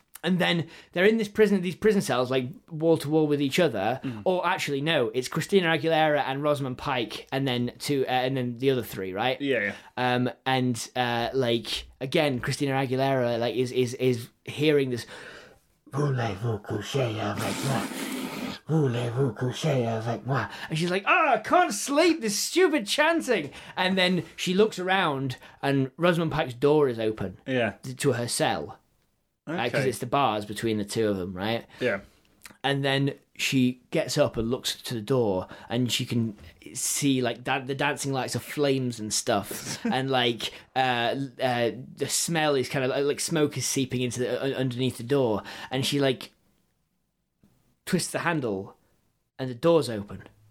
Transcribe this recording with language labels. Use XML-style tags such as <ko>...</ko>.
<en>And then they're in these prison cells, like, wall-to-wall with each other. Mm. Or actually, no, it's Christina Aguilera and Rosamund Pike and then then the other three, right? Yeah, yeah. Again, Christina Aguilera, like, is hearing this...</en> <fr>Voulez-vous coucher avec moi? Voulez-vous coucher avec moi?</fr> <en>And she's like, I can't sleep, this stupid chanting. And then she looks around and Rosamund Pike's door is open to her cell. Okay. Because it's the bars between the two of them, right? Yeah. And then she gets up and looks to the door, and she can see like that the dancing lights are flames and stuff, and like the smell is kind of like smoke is seeping into the, underneath the door, and she like twists the handle, and the door's open.</en>